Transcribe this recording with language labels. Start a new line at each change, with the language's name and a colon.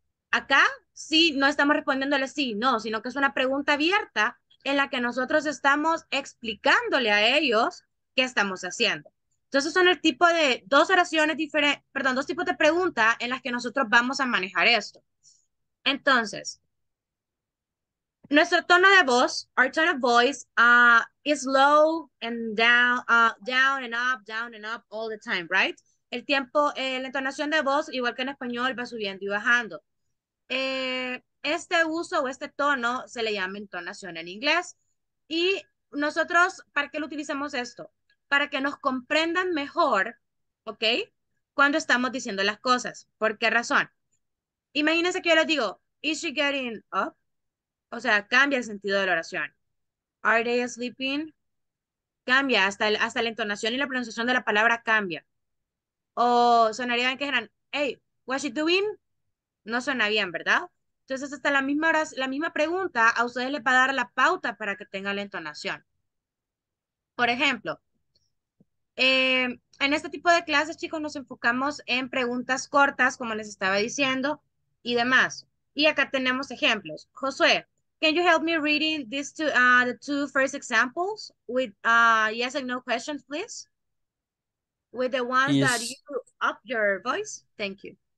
Spanish: Acá sí, no estamos respondiéndole sí, no, sino que es una pregunta abierta en la que nosotros estamos explicándole a ellos qué estamos haciendo. Entonces son el tipo de dos oraciones diferentes, perdón, dos tipos de preguntas en las que nosotros vamos a manejar esto. Entonces, nuestro tono de voz,
English: our tone of voice, is low and down, down and up all the time, right?
Spanish: El tiempo, la entonación de voz, igual que en español, va subiendo y bajando. Este uso o este tono se le llama entonación en inglés. Y nosotros, ¿para qué lo utilizamos esto? Para que nos comprendan mejor, ¿ok? Cuando estamos diciendo las cosas. ¿Por qué razón? Imagínense que yo les digo,
English: ¿Is she getting up?
Spanish: O sea, cambia el sentido de la oración.
English: ¿Are they sleeping?
Spanish: Cambia, hasta la entonación y la pronunciación de la palabra cambia. O sonaría bien que dijeran,
English: hey, what's she doing?
Spanish: No suena bien, ¿verdad? Entonces, hasta la misma pregunta a ustedes les va a dar la pauta para que tengan la entonación. Por ejemplo, en este tipo de clases, chicos, nos enfocamos en preguntas cortas, como les estaba diciendo, y demás. Y acá tenemos ejemplos.
English: Josué, can you help me reading these two, the two first examples with yes and no questions, please? With the ones that you up your voice, thank you.